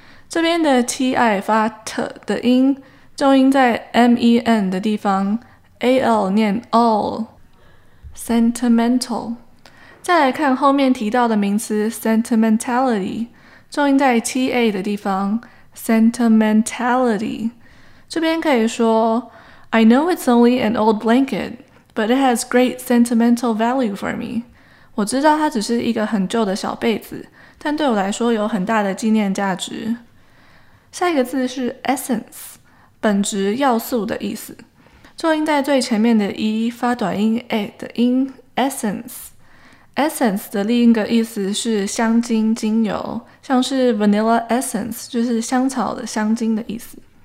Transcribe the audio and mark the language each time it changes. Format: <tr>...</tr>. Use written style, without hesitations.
<zh>这边的 ti 发 t 的音重音在 men 的地方 ,al 念 all。 sentimental。 再来看后面提到的名词 sentimentality, 重音在 ta 的地方 ,sentimentality。这边可以说</zh> <en>I know it's only an old blanket, but it has great sentimental value for me.</en> <zh>我知道它只是一个很旧的小被子，但对我来说有很大的纪念价值。下一个字是 essence, 本质要素的意思。重音在最前面的 e 发短音 a 的音 essence。 essence 的另一个意思是香精精油，像是 vanilla essence 就是香草的香精的意思。</zh>